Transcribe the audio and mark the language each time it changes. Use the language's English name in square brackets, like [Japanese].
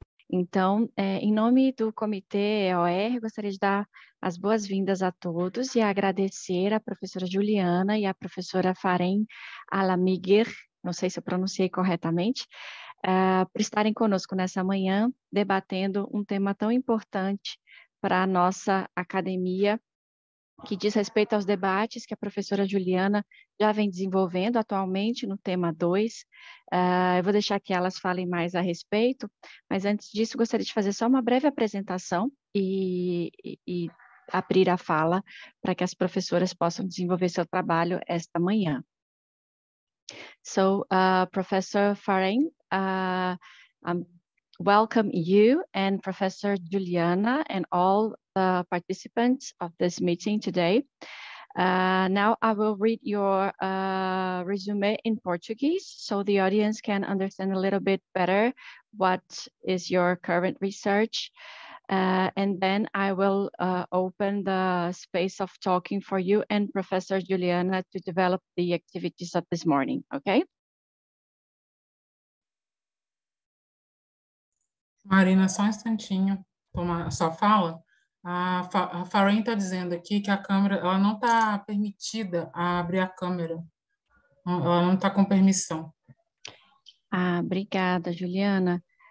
[Portuguese] Então, em nome do Comitê EOR, gostaria de dar as boas-vindas a todos e agradecer à professora Juliana e à professora Fahreen Alamgir, não sei se eu pronunciei corretamente, por estarem conosco nessa manhã, debatendo um tema tão importante para a nossa academia, que diz respeito aos debates que a professora Juliana já vem desenvolvendo atualmente no tema 2. Eu vou deixar que elas falem mais a respeito, mas antes disso, gostaria de fazer só uma breve apresentação e abrir a fala para que as professoras possam desenvolver seu trabalho esta manhã. [English] Professor Fahreen, welcome you and Professor Juliana and all participants of this meeting today. Now I will read your resume in Portuguese so the audience can understand a little bit better what is your current research. And then I will open the space of talking for you and Professor Juliana to develop the activities of this morning, okay? [Portuguese] Marina, só um instantinho, tomar a sua fala. A Fahreen está dizendo aqui que a câmera, ela não está permitida a abrir a câmera. Ela não está com permissão. Ah, obrigada, Juliana.